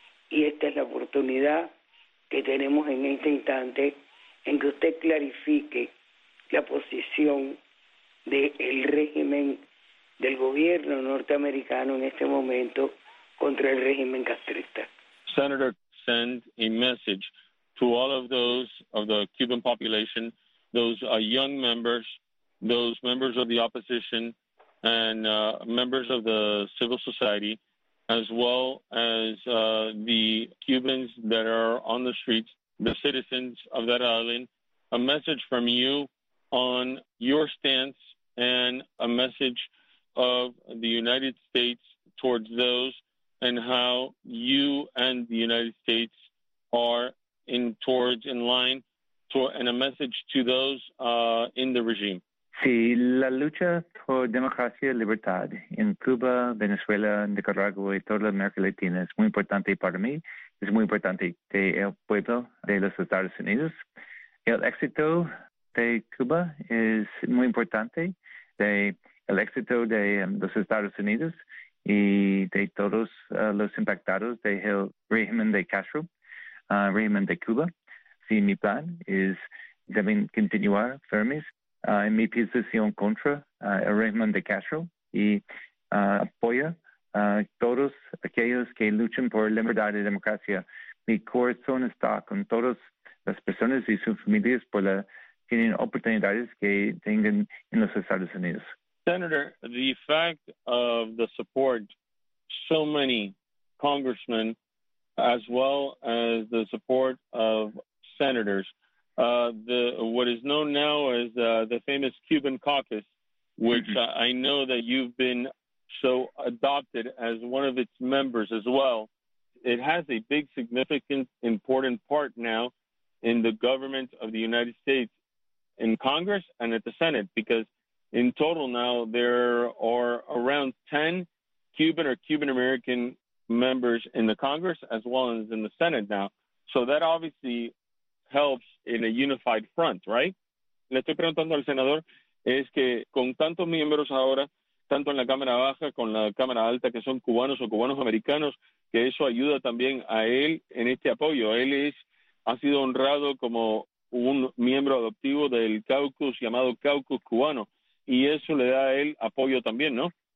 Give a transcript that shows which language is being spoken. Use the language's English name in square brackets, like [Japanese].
[Spanish] Y esta es la oportunidad que tenemos en este instante en que usted clarifique la posición del régimen del gobierno norteamericano en este momento contra el régimen castrista. [English] Senator, send a message to all of those of the Cuban population, those young members, those members of the opposition, and members of the civil society, as well as the Cubans that are on the streets, the citizens of that island, a message from you on your stance and a message of the United States towards those and how you and the United States are in line, and a message to those in the regime. [Spanish] Sí, la lucha por democracia y libertad en Cuba, Venezuela, Nicaragua y toda la América Latina es muy importante para mí, es muy importante para el pueblo de los Estados Unidos. El éxito de Cuba es muy importante, el éxito de los Estados Unidos y de todos los impactados del régimen de Castro, régimen de Cuba. Sí, mi plan es deben continuar firmes en mi posición contra el régimen de Castro y apoya a todos aquellos que luchan por libertad y democracia. Mi corazón está con todas las personas y sus familias por la tienen oportunidades que tengan en los Estados Unidos. [English] Senator, the fact of the support so many congressmen, as well as the support of senators, what is known now as the famous Cuban Caucus, which I know that you've been so adopted as one of its members as well, it has a big, significant, important part now in the government of the United States, in Congress and at the Senate, because in total now there are around 10 Cuban or Cuban-American members in the Congress as well as in the Senate now. So that obviously helps in a unified front, right? [Spanish] Le estoy preguntando al senador, es que con tantos miembros ahora, tanto en la Cámara Baja con la Cámara Alta, que son cubanos o cubanos americanos, que eso ayuda también a él en este apoyo. Él es, ha sido honrado como un miembro adoptivo del caucus llamado Caucus Cubano, y eso le da a él apoyo también, ¿no?